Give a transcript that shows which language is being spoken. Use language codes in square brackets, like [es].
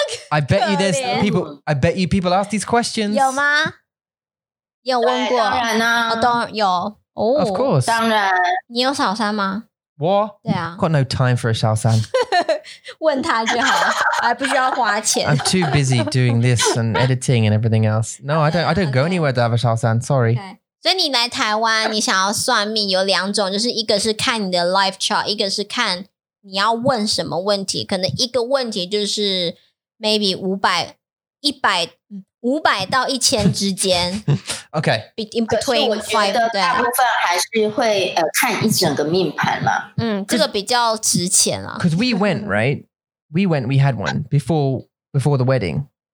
[en] I bet you there's people. I bet you people ask these questions. [zh] 有吗？有问过？当然啦、啊，当、oh, 有哦、oh, [en] ，Of course， [zh] 当然。你有小三吗？我对啊 [en] ，Got no time for a 小三。 [zh] 问他就好，还不需要花钱。 [en] I'm too busy doing this and editing and everything else. No, I don't. I don't go anywhere to have a 小三. Sorry.、 [zh] Okay. 所以你来台湾你想要算命有两种，就是一个是看你的 [en] life chart， [zh] 一个是看你要问什么问题。可能一个问题就是 maybe 500到1000之间。 [en] OK， in between 5。 [zh] 大部分还是会、看一整个命盘嘛。嗯，这个比较值钱啊。 [en] Because we went right we went we had one before the wedding。